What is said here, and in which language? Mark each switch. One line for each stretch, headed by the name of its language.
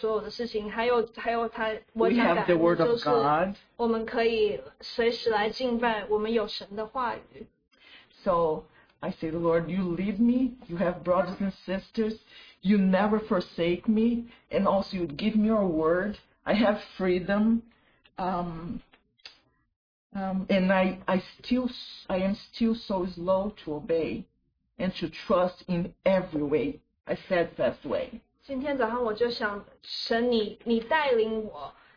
Chinese: 我很大致的概括所有的事情，还有他，我想讲的就是
English: We have the word of God.
Chinese: 我们可以随时来敬拜，我们有神的话语。
English: So I say, Lord, you lead me, you have brothers and sisters, you never forsake me, and also you give me your word. I have freedom, and I am still so slow to obey and to trust in every way, a steadfast way.
Chinese: 今天早上我就想，神你带领我。